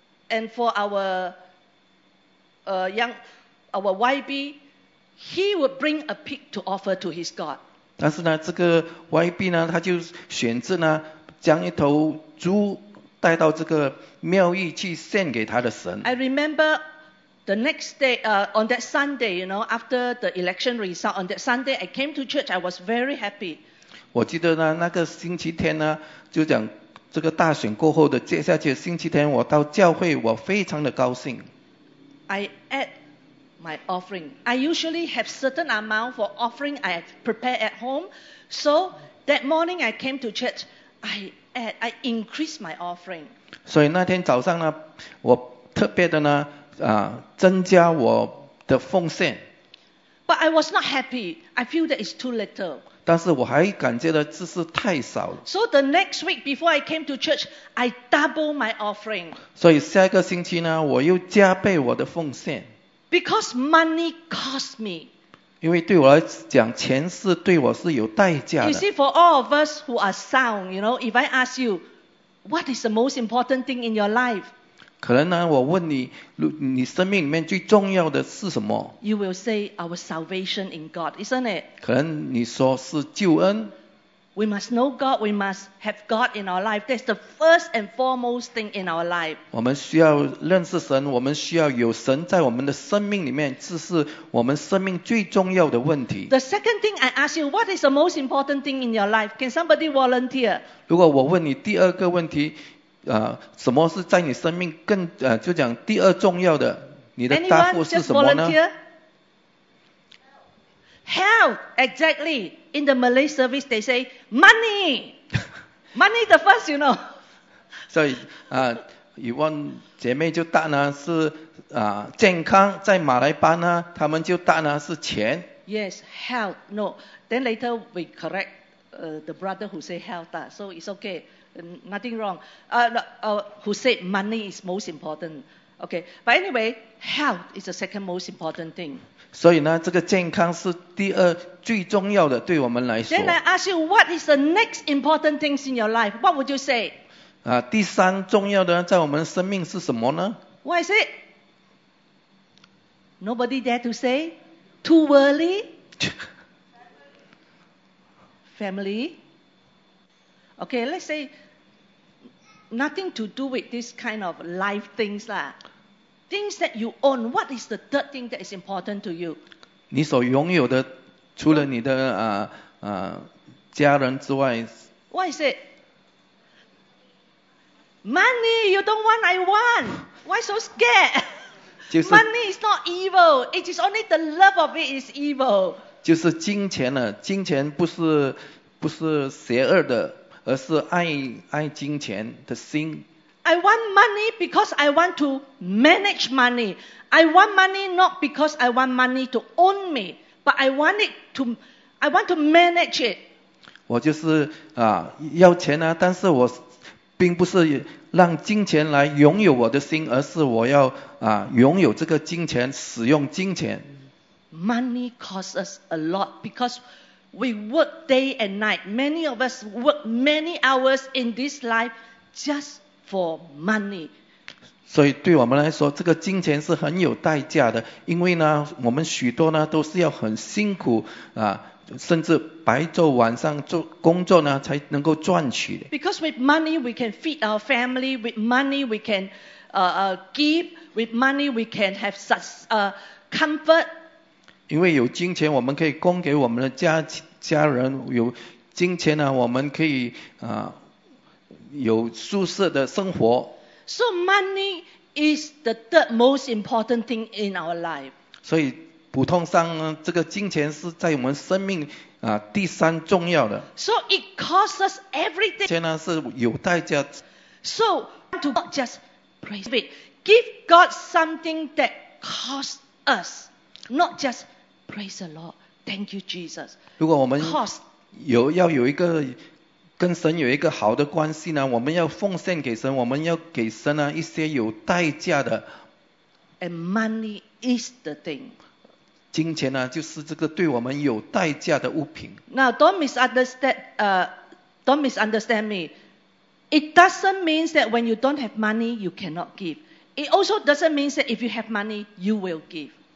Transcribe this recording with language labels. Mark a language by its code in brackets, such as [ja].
[en] And for our young, our YB, he would bring a pig to offer to his God. [zh] 但是呢, 这个YB呢, 他就选择呢, 将一头猪带到这个庙宇去献给他的神。 [en] I remember the next day, on that Sunday, you know, after the election result, on that Sunday, I came to church, I was very happy. [zh] 我记得呢, 那个星期天呢, 就讲这个大选过后的, 接下去星期天, 我到教会, 我非常的高兴。 [en] I add my offering. I usually have certain amount for offering I prepare at home. So, that morning I came to church, I increased my offering. [zh] 所以那天早上呢, 我特别的呢增加我的奉献。 [en] But I was not happy. I feel that it's too little. [zh] 但是我还感觉到这是太少了。 [en] So the next week before I came to church, I doubled my offering. [zh] 所以下一个星期呢，我又加倍我的奉献。 [en] Because money cost me. [zh] 因为对我来讲，钱是对我是有代价的。 [en] You see, for all of us who are sound, you know, if I ask you, what is the most important thing in your life? [zh] 可能呢，我问你，你生命里面最重要的是什么 [en] ？You will say our salvation in God, isn't it? [zh] 可能你说是救恩。 [en] We must know God. We must have God in our life. That's the first and foremost thing in our life. [zh] 我们需要认识神，我们需要有神在我们的生命里面，这是我们生命最重要的问题。 [en] The second thing I ask you, what is the most important thing in your life? Can somebody volunteer? [zh] 如果我问你第二个问题。什么是在你生命更就讲第二重要的？你的答复是什么呢 [en] ？Health, exactly. In the Malay service, they say money. Money the first, you know. [zh] 所以一问姐妹就答呢是健康，在马来班呢，他们就答呢是钱。 [en] Yes, health. No. Then later we correct the brother who say health, so it's okay. Nothing wrong. Who said money is most important? Okay. But anyway, health is the second most important thing. [zh] 所以呢，这个健康是第二最重要的，对我们来说。 [en] Then I ask you, what is the next important things in your life? What would you say? [zh] 第三重要的在我们生命是什么呢 [en] ？What is it? Nobody dare to say. Too worldly. Family. Okay, let's say nothing to do with this kind of life things lah. Things that you own, what is the third thing that is important to you? [zh] 你所拥有的，除了你的家人之外。 [en] What is it? Money, you don't want, I want. Why so scared? [zh] 就是、 [en] Money is not evil. It is only the love of it is evil. [zh] 就是金钱呢，金钱不是邪恶的。而是爱金钱的心。 [en] I want money because I want to manage money. I want money not because I want money to own me, but I want to manage it. [zh] 我就是要钱啊，但是我并不是让金钱来拥有我的心，而是我要拥有这个金钱，使用金钱。 [en] Money costs us a lot because. We work day and night. Many of us work many hours in this life just for money. [zh] 所以对我们来说，这个金钱是很有代价的，因为呢，我们许多呢都是要很辛苦甚至白昼晚上做工作呢才能够赚取的。 [en] Because with money we can feed our family, with money we can give, with money we can have such comfort. [zh] 因为有金钱，我们可以供给我们的家人；有金钱呢，我们可以有舒适的生活。 [en] So money is the third most important thing in our life. [zh] 所以普通上这个金钱是在我们生命第三重要的。 [en] So it costs us everything. [zh] 钱呢是有代价。 [en] So to not just praise it, give God something that costs us, not just. Praise the Lord. Thank you, Jesus. [zh] 如果我们要有一个跟神有一个好的关系呢，我们要奉献给神，我们要给神呢一些有代价的。 [en] And money is the thing. [zh] 金钱呢，就是这个对我们有代价的物品。 [en] Now, don't misunderstand me. It doesn't mean that when you don't have money, you cannot give. It also doesn't mean that if you have money, you will give.